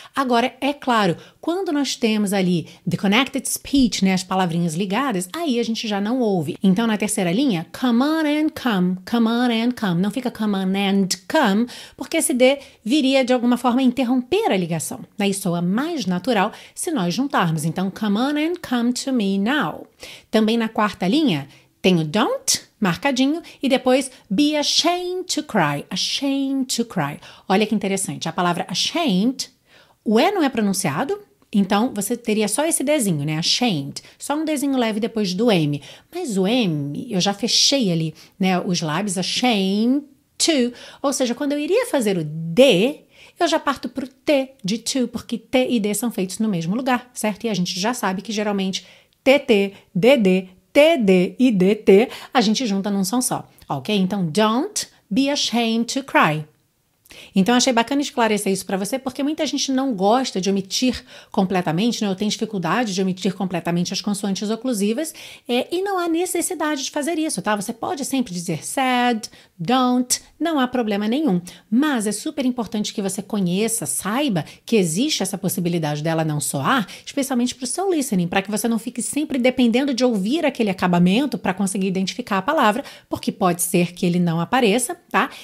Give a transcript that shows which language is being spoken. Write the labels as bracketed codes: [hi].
[pt] Agora, é claro, quando nós temos ali [en] the connected speech, [pt] né, as palavrinhas ligadas, aí a gente já não ouve. Então, na terceira linha, [en] come on and come, [pt] não fica come on and come, porque esse D viria de alguma forma a interromper a ligação. Daí soa mais natural se nós juntarmos. [en] Então, come on and come to me now. [pt] Também na quarta linha, tem o don't, marcadinho, e depois [en] be ashamed to cry, ashamed to cry. [pt] Olha que interessante, a palavra ashamed, o E não é pronunciado, então você teria só esse Dzinho, né, ashamed, só um Dzinho leve depois do M, mas o M, eu já fechei ali, né, os lábios, ashamed to, ou seja, quando eu iria fazer o D, eu já parto pro T de to, porque T e D são feitos no mesmo lugar, certo? E a gente já sabe que geralmente TT, DD, TD e DT, a gente junta num som só, ok? [en] Então, don't be ashamed to cry. [pt] Então, achei bacana esclarecer isso para você, porque muita gente não gosta de omitir completamente, né? Ou tem dificuldade de omitir completamente as consoantes oclusivas, e não há necessidade de fazer isso, tá? Você pode sempre dizer sad, don't, não há problema nenhum. Mas é super importante que você conheça, saiba que existe essa possibilidade dela não soar, especialmente para o seu listening, para que você não fique sempre dependendo de ouvir aquele acabamento para conseguir identificar a palavra, porque pode ser que ele não apareça, tá?